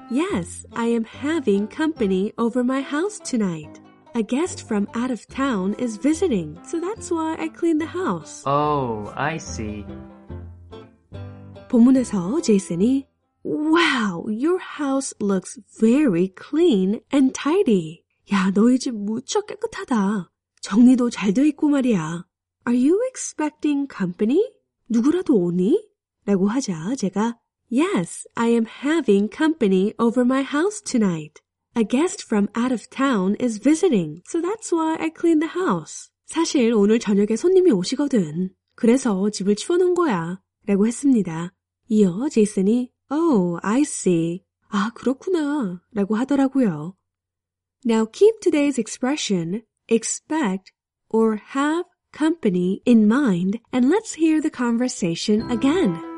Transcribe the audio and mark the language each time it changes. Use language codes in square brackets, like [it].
[en] Yes, I am having company over my house tonight. A guest from out of town is visiting, so that's why I cleaned the house. Oh, I see. [ko] 본문에서 제이슨이 [en] Wow, your house looks very clean and tidy. [ko] 야, 너희 집 무척 깨끗하다. 정리도 잘 돼 있고 말이야. [en] Are you expecting company? [ko] 누구라도 오니? 라고 하자 제가 [en] Yes, I am having company over my house tonight. A guest from out of town is visiting, so that's why I cleaned the house. [ko] 사실 오늘 저녁에 손님이 오시거든. 그래서 집을 치워놓은 거야. 라고 했습니다. 이어 제이슨이 [en] Oh, I see. [ko] 아, 그렇구나. 라고 하더라고요. [en] Now keep today's expression, expect or have company in mind, and let's hear the conversation again.